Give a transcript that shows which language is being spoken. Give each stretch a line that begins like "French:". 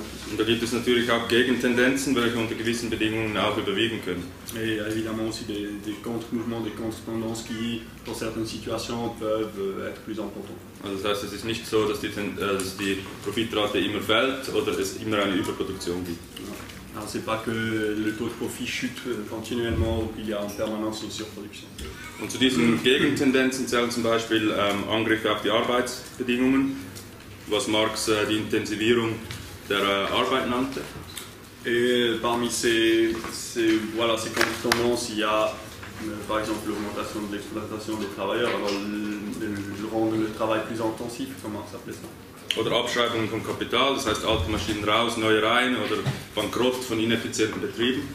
German: Und da gibt es natürlich auch Gegentendenzen, welche unter gewissen Bedingungen auch überwiegen können.
French: Et évidemment aussi des contre-mouvements, des contre-tendances qui, dans certaines situations, peuvent être plus importants.
German: Also das heißt, es ist nicht so, dass die Profitrate immer fällt oder es immer eine Überproduktion gibt.
French: Alors c'est pas que le taux de profit chute continuellement ou qu'il y a en permanence une surproduction.
German: Und zu diesen Gegentendenzen zählen zum Beispiel Angriffe auf die Arbeitsbedingungen, was Marx die Intensivierung der Arbeit nannte.
French: Et parmi ces contre-tendances, il y a par exemple l'augmentation de l'exploitation des travailleurs, alors le rendre le travail plus intensif, comme Marx appelait ça.
German: Oder Abschreibung von Kapital, das heißt alte Maschinen raus, neue rein, oder Bankrott von ineffizienten Betrieben.